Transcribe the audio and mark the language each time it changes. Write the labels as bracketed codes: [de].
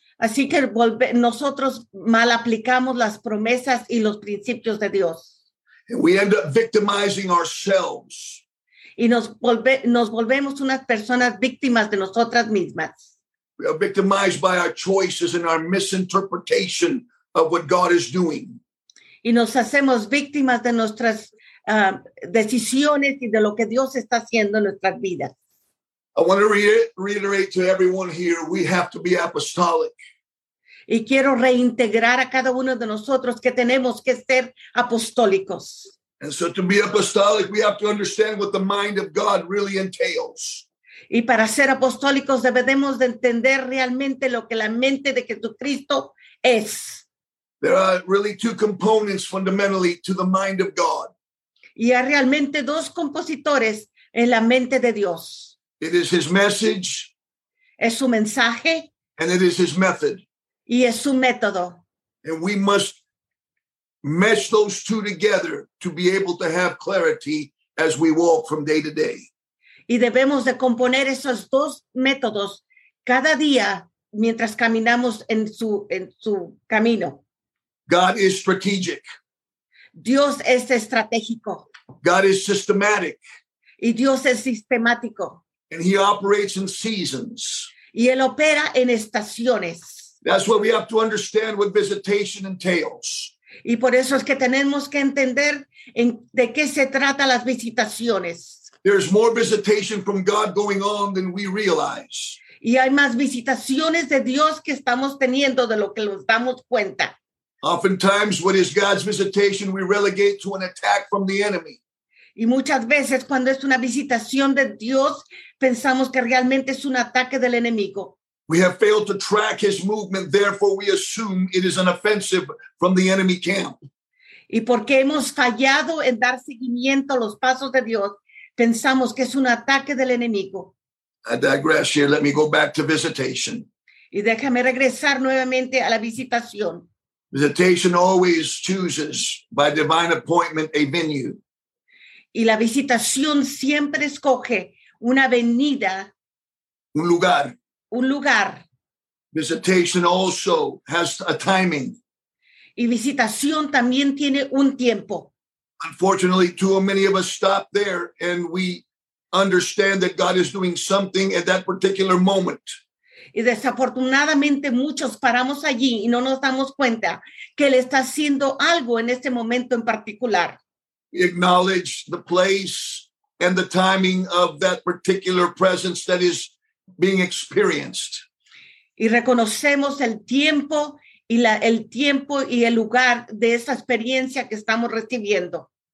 [es] Así que nosotros mal aplicamos las promesas y los principios de Dios. [en] And we end up victimizing ourselves. [es] Y nos volvemos unas personas víctimas de nosotras mismas. [en] We are victimized by our choices and our misinterpretation of what God is doing. [es] Y nos hacemos víctimas de nuestras decisiones y de lo que Dios está haciendo en nuestras vidas. [en] I want to reiterate to everyone here, we have to be apostolic. [es] Y quiero reintegrar a cada uno de nosotros que tenemos que ser apostólicos. [en] And so to be apostolic, we have to understand what the mind of God really entails. [es] Y para ser apostólicos debemos de entender realmente lo que la mente de Jesucristo es. [en] There are really two components fundamentally to the mind of God. [es] Y hay realmente dos compositores en la mente de Dios. [en] It is his message. [es] Es su mensaje. [en] And it is his method. [es] Y es su método. [en] And we must mesh those two together to be able to have clarity as we walk from day to day. [es] Y debemos de componer esos dos métodos cada día mientras caminamos en su camino. [en] God is strategic. [es] Dios es estratégico. [en] God is systematic. [es] Y Dios es sistemático. [en] And he operates in seasons. [es] Y él opera en estaciones. [en] That's what we have to understand what visitation entails. [es] Y por eso es que tenemos que entender de qué se trata las visitaciones. [en] There's more visitation from God going on than we realize. [es] Y hay más visitaciones de Dios que estamos teniendo de lo que nos damos cuenta. [en] Oftentimes, what is God's visitation, we relegate to an attack from the enemy. [es] Y muchas veces, cuando es una visitación de Dios, pensamos que realmente es un ataque del enemigo. [en] We have failed to track his movement, therefore we assume it is an offensive from the enemy camp. [es] Y porque hemos fallado en dar seguimiento a los pasos de Dios, pensamos que es un ataque del enemigo. [en] I digress here. Let me go back to visitation. [es] Y déjame regresar nuevamente a la visitación. [en] Visitation always chooses by divine appointment a venue. [es] Y la visitación siempre escoge una venida. Un lugar. Un lugar. [en] Visitation also has a timing. [es] Y visitación también tiene un tiempo. [en] Unfortunately, too many of us stop there and we understand that God is doing something at that particular moment. [es] Y desafortunadamente muchos paramos allí y no nos damos cuenta que él está haciendo algo en este momento en particular. [en] We acknowledge the place and the timing of that particular presence that is being experienced. [es] Y reconocemos el tiempo y el lugar de esa experiencia que estamos recibiendo.